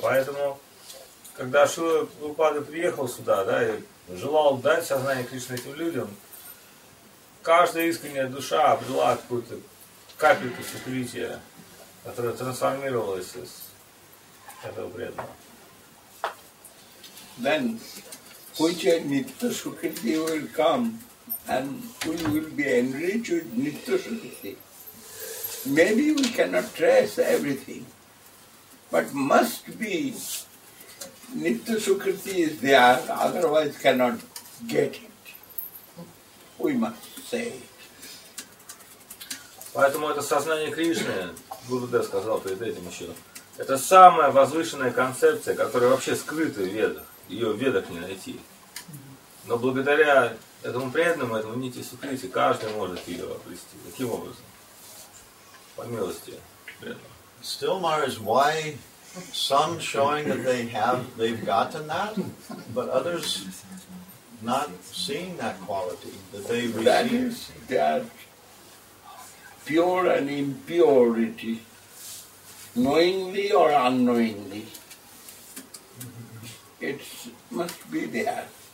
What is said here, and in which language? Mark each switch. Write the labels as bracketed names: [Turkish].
[Russian] Поэтому, когда Шрила Прабхупада приехал сюда, да, и желал дать сознание Кришны этим людям, каждая искренняя душа обрела какую-то капельку сокрытия, которая трансформировалась из этого преданного. [English] Then, Pucha Nitya Sukriti will come and we will be enriched with Nitya Sukriti. Maybe we cannot trace everything, but must be Nitya Sukriti is there, otherwise cannot get it. We must say it. [Russian] Поэтому это сознание Кришны, Гурудев сказал перед этим еще, это самая возвышенная концепция, которая вообще скрыта в ведах. Ее в ведах не найти. Но благодаря этому преданному, этому нити сукрити, каждый может ее обрести. Каким образом? По милости преданного. [English] Still, Maharaj, why some showing that they have, they've gotten that, but others not seeing that quality that they receive? That is that pure and impurity, knowingly or unknowingly, it must be there.